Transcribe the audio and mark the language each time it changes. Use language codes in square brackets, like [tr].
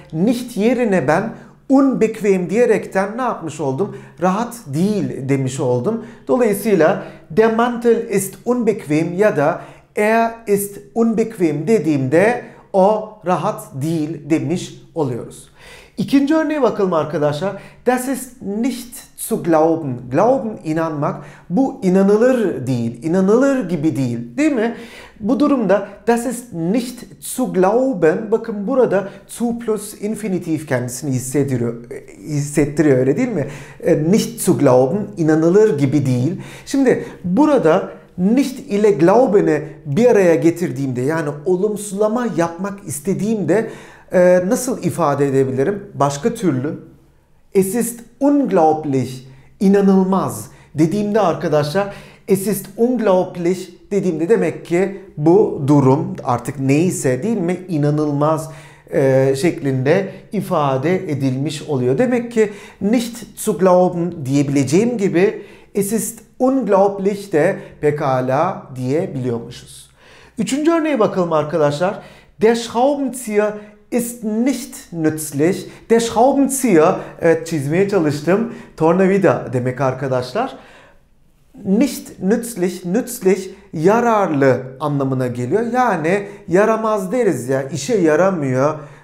[tr] Nicht yerine ben unbequem diyerekten ne yapmış oldum? Rahat değil demiş oldum. Dolayısıyla [de] Der Mantel ist unbequem [tr] ya da [de] er ist unbequem [tr] dediğimde o rahat değil demiş oluyoruz. İkinci örneğe bakalım arkadaşlar. [de] Das ist nicht zu glauben. [tr] Glauben inanmak. Bu inanılır değil. İnanılır gibi değil. Değil mi? Bu durumda [de] das ist nicht zu glauben. [tr] Bakın burada zu plus infinitiv kendisini hissettiriyor öyle değil mi? [de] Nicht zu glauben. [tr] İnanılır gibi değil. Şimdi burada nicht ile glauben'i bir araya getirdiğimde yani olumsulama yapmak istediğimde nasıl ifade edebilirim? Başka türlü. [de] Es ist unglaublich. [tr] İnanılmaz. Dediğimde arkadaşlar [de] es ist unglaublich [tr] dediğimde demek ki bu durum artık neyse değil mi? İnanılmaz şeklinde ifade edilmiş oluyor. Demek ki [de] nicht zu glauben [tr] diyebileceğim gibi [de] es ist unglaublich [tr] de pekala diyebiliyormuşuz. Üçüncü örneğe bakalım arkadaşlar. [de] Der Schraubenzieher ist nicht nützlich. [tr] Der Schraubenzieher, evet çizmeye çalıştım. Tornavida demek arkadaşlar. Nicht nützlich, nützlich yararlı anlamına geliyor. Yani yaramaz deriz ya, işe yaramıyor.